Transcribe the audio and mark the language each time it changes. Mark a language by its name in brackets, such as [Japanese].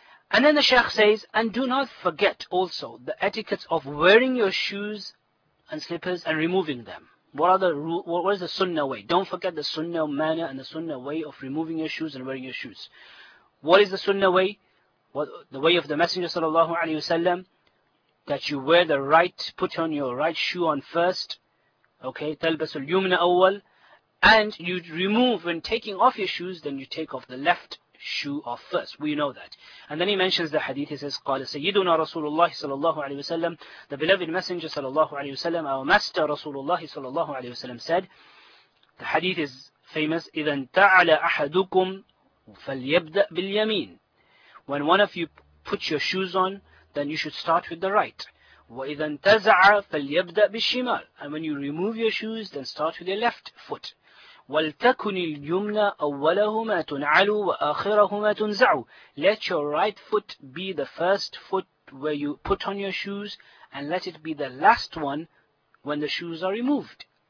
[English] And then the Sheikh says, and do not forget also the etiquettes of wearing your shoes and slippers and removing them. What is the sunnah way? Don't forget the sunnah manner and the sunnah way of removing your shoes and wearing your shoes. What is the sunnah way? The way of the Messenger sallallahu alaihi wasallam, that you wear the right, put on your right shoe on first. Okay, [Arabic] تَلْبَسُ الْيُمْنَ أَوَّلْ. [English] And you remove, when taking off your shoes, then you take off the left shoe off first. We know that. And then he mentions the hadith. He says, [Arabic] قَالَ سَيِّدُنَا رَسُولُ اللَّهِ صَلَى اللَّهُ عَلَيْهِ وَسَلَّمْ. [English] The beloved messenger صلى الله عليه وسلم, our master رسول الله صلى الله عليه وسلم said, the hadith is famous, [Arabic] إِذَا انْتَعَلَ أَحَدُكُمْ فَلْيَبْدَأْ بِالْيَمِينَ. [English] When one of you put your shoes on, then you should start with the right. [Arabic] وَإِذَا انْتَزَعَ فَلْيَبْدَأْ بِالشِّمَالِ. [English] And when you remove your shoes, then start with your left foot. [Arabic] وَلْتَكُنِ الْيُمْنَ أَوَّلَهُمَا تُنْعَلُ وَآخِرَهُمَا تُنْزَعُ. [English] Let your right foot be the first foot where you put on your shoes, and let it be the last one when the shoes are removed.